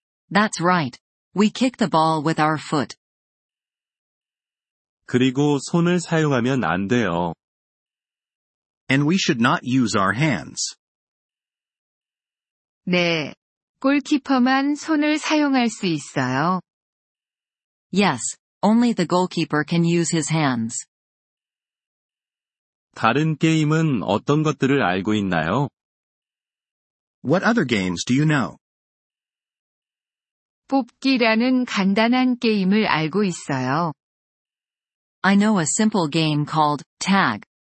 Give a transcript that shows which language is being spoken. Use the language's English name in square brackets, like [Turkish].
[English] That's right. We kick the ball with our foot. [Korean] 그리고 손을 사용하면 안 돼요. [English] And we should not use our hands. [Korean] 네, 골키퍼만 손을 사용할 수 있어요. [English] Yes, only the goalkeeper can use his hands. [Korean] 다른 게임은 어떤 것들을 알고 있나요? [English] What other games do you know? [Korean] 뽑기라는 간단한 게임을 알고 있어요. [English] I know a simple game called tag.